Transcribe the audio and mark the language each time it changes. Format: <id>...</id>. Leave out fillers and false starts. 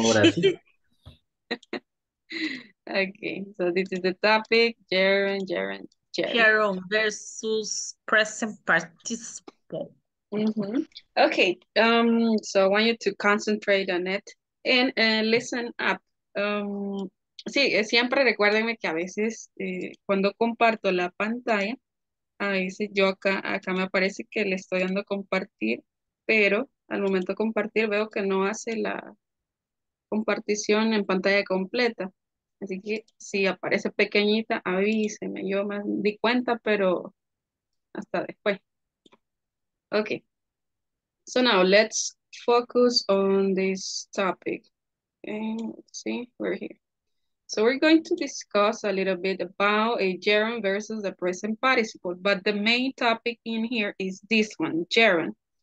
<en>okay, so this is the topic, gerund versus present participle. Mm-hmm. Okay, so I want you to concentrate on it and listen up.</en> <es>Sí, siempre recuérdenme que a veces cuando comparto la pantalla, a veces yo acá me parece que le estoy dando compartir, pero al momento de compartir veo que no hace la compartición en pantalla completa, así que si aparece pequeñita avíseme, yo me di cuenta, pero hasta después.</es> <en>Okay, so now let's focus on this topic. Okay, let's see, we're here. So we're going to discuss a little bit about a gerund versus the present participle, but the main topic in here is this one, gerund.</en>